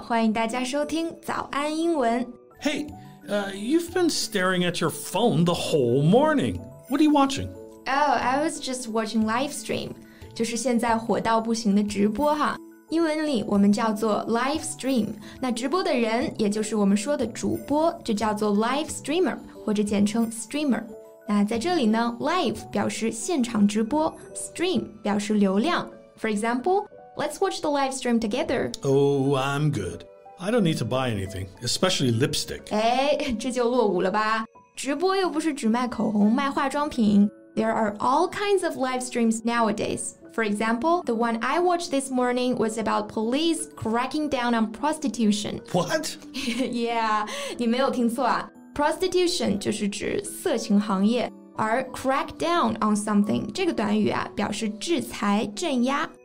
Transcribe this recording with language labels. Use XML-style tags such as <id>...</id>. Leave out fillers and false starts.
<zh>欢迎大家收听早安英文。</zh> <en>Hey, you've been staring at your phone the whole morning. What are you watching? Oh, I was just watching live stream.</en> <zh>就是现在火到不行的直播哈。英文里我们叫做 live stream, 那直播的人也就是我们说的主播就叫做 live-streamer, 或者简称 streamer。那在这里呢 ,live 表示现场直播 ,stream 表示流量。</zh> <en>For example, let's watch the live stream together. Oh, I'm good. I don't need to buy anything, especially lipstick.</en> <zh>哎，这就落伍了吧。直播又不是只卖口红卖化妆品。</zh> <en>There are all kinds of live streams nowadays. For example, the one I watched this morning was about police cracking down on prostitution. What?</en> <zh>Yeah, 你没有听错啊。Prostitution 就是指色情行业，而 crack down on something 这个短语啊，表示制裁、镇压。</zh>